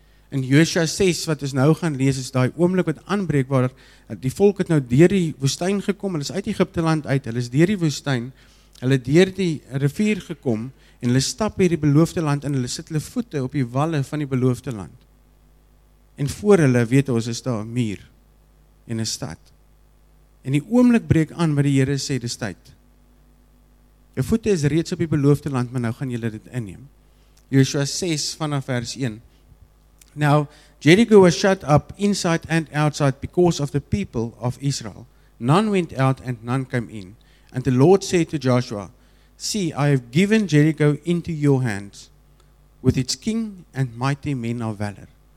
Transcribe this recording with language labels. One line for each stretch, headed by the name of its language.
Afrikaans: In Joshua 6 wat ons nou gaan lees is daai oomblik wat aanbreek waar die volk het nou deur die woestyn gekom, hulle is uit Egipte land uit, hulle is deur die woestyn, hulle deur die rivier gekom en hulle stap hierdie beloofde land en hulle sit hulle voete op die walle van die beloofde land. En voor hulle weet ons is daar 'n muur en 'n stad. En die oomblik breek aan wat die Here sê dis tyd. Jou voete is reeds op die beloofde land, maar nou gaan julle dit inneem. Joshua 6 vanaf vers 1.
English: Now, Jericho was shut up inside and outside because of the people of Israel. None went out and none came in. And the Lord said to Joshua, "See, I have given Jericho into your hands with its king and mighty men of valor."